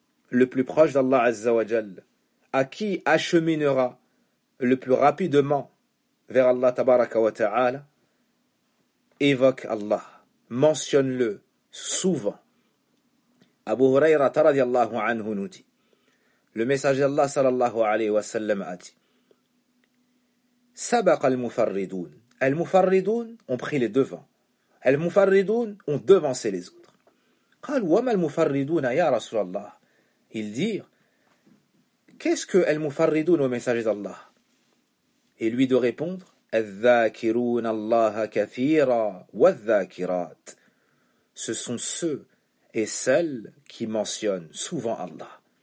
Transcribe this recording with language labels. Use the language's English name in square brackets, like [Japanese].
[French] le plus proche d'Allah Azza wa Jal, à qui acheminera le plus rapidement vers Allah Tabaraka wa Ta'ala, évoque Allah, mentionne-le souvent. Abu Huraira radiallahu anhu nous dit, le messager d'Allah sallallahu alayhi wa sallam a dit, [Arabic] Sabaq al-mufarridoun. [French] Al-Mufarridoun ont pris les devants. Al-Mufarridoun ont devancé les autres. [Arabic] قال وما المفردون يا رسول الله. [French] Ils dirent, qu'est-ce que Al-Mufarridoun au messager d'Allah? Et lui de répondre, [Arabic] الذاكرون الله كثيرا والذاكرات. [French] Ce sont ceux et celles qui mentionnent souvent Allah.